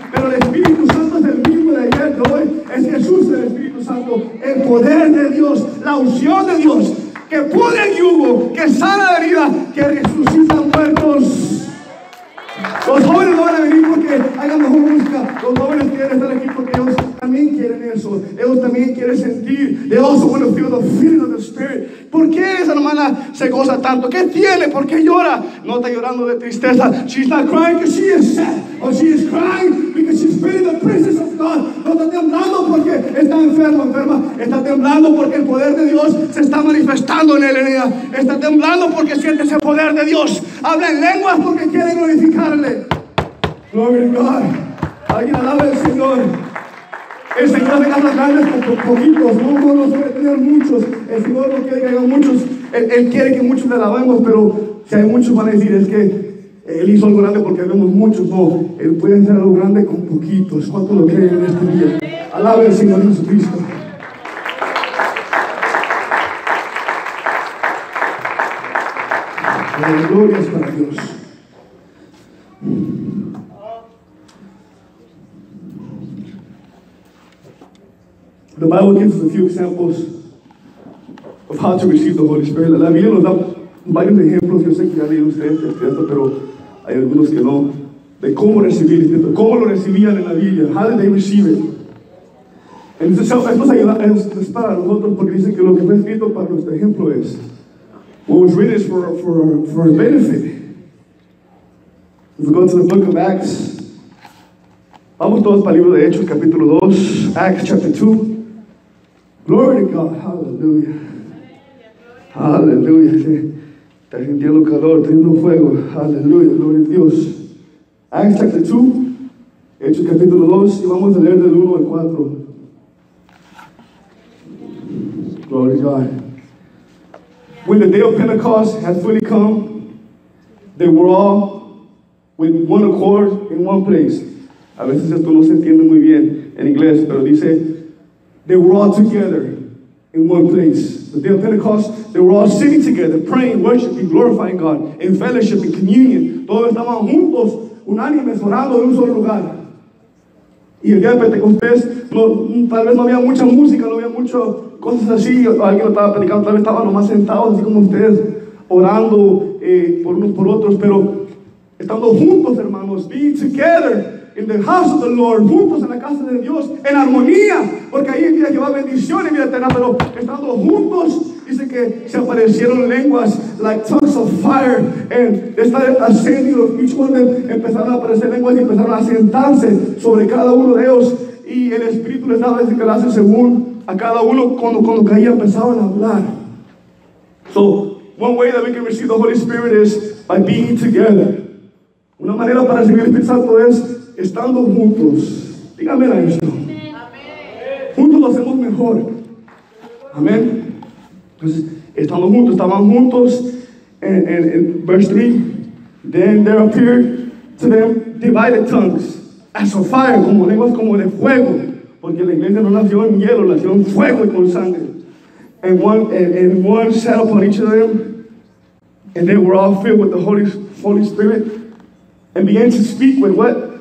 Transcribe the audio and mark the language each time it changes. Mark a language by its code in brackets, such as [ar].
[es] Pero el Espíritu Santo es el mismo de ayer, de hoy. Es Jesús el Espíritu Santo. El poder de Dios, la unción de Dios. Que pudre el yugo, que sana la herida, que resucita muertos. Los jóvenes no van a venir porque hagan mejor música. Los jóvenes quieren estar aquí porque ellos también quieren eso. Ellos también quieren sentir. [en] They also want to feel the feeling of the Spirit. [es] ¿Por qué esa hermana se goza tanto? ¿Qué tiene? ¿Por qué llora? No está llorando de tristeza. [en] She's not crying because she is sad. Or she is crying because she's feeling the presence of God. [es] No está temblando porque está enferma. Está temblando porque el poder de Dios se está manifestando en ella. Está temblando porque siente ese poder de Dios. Habla en lenguas porque quiere glorificarle. [en] Glory to God. [es] Alguien alaba al Señor. El Señor hace cosas grandes con poquitos, no solo suele tener muchos. El Señor no quiere que haya muchos, Él quiere que muchos le alabemos, pero si hay muchos van a decir, es que Él hizo algo grande porque vemos muchos. No, Él puede hacer algo grande con poquitos. ¿Cuánto lo creen en este día? Alabe al Señor Jesucristo. Gloria para Dios. [en] The Bible gives us a few examples of how to receive the Holy Spirit. [es] La Biblia nos da varios ejemplos. Yo sé que ya leí ustedes esto, pero hay algunos que no. De cómo recibir el Espíritu. ¿Cómo lo recibían en la Biblia? [en] How did they receive it? [es] Y esto es para nosotros porque dicen que lo que fue escrito para nuestro ejemplo es [en] what was written is for our benefit. If we go to the book of Acts, [es] vamos todos para el libro de Hechos, capítulo 2, [en] Acts chapter 2. Glory to God, hallelujah. Hallelujah. [es] Está sintiendo calor, está sintiendo fuego. Hallelujah, gloria a Dios. [en] Acts chapter 2, [es] Hechos capítulo 2, y vamos a leer del 1 al 4. [en] Glory to God. When the day of Pentecost had fully come, they were all with one accord in one place. [es] A veces esto no se entiende muy bien en inglés, pero dice, [en] they were all together in one place. The day of Pentecost, they were all sitting together, praying, worshiping, glorifying God, in fellowship, in communion. [es] Todos estaban juntos, unánimes, orando en un solo lugar. Y el día de Pentecostés, tal vez no había mucha música, no había muchas cosas así, alguien lo estaba predicando, tal vez estaban nomás sentados así como ustedes, orando por unos por otros, pero estando juntos, hermanos, [en] being together in the house of the Lord, [es] juntos en la casa de Dios, en armonía, porque ahí había llevado bendición y vida eterna, pero estando juntos, dice que se aparecieron lenguas [en] like tongues of fire, and [es] está ascendiendo, [en] each one of them [es] empezaron a aparecer lenguas y empezaron a sentarse sobre cada uno de ellos, y el Espíritu les daba ese clase según a cada uno, cuando caía empezaban a hablar. [en] So, one way that we can receive the Holy Spirit is by being together. [es] Una manera para recibir el Espíritu Santo es estando juntos. Dígame a eso. Amén. Juntos lo hacemos mejor. Amén. Entonces, estando juntos, estaban juntos. En verse 3, [en] then there appeared to them divided tongues as of fire, [es] como lenguas como de fuego. Porque la iglesia no nació en hielo, nació en fuego y con sangre. [en] And one sat upon each of them, and they were all filled with the Holy Spirit, and began to speak with what?